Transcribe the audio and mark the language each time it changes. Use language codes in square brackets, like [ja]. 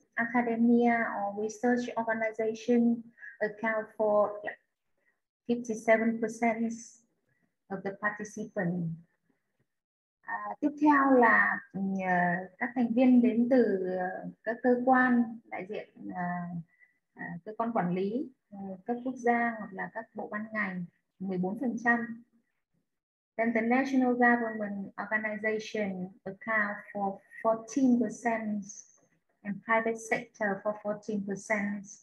[en] Academia or research organization account for 57% of the participants. [vi] Tiếp theo là các thành viên đến từ các cơ quan đại diện cơ quan quản lý các quốc gia hoặc là các bộ ban ngành 14%. [en] Then the national government organization account for 14% and private sector for 14%.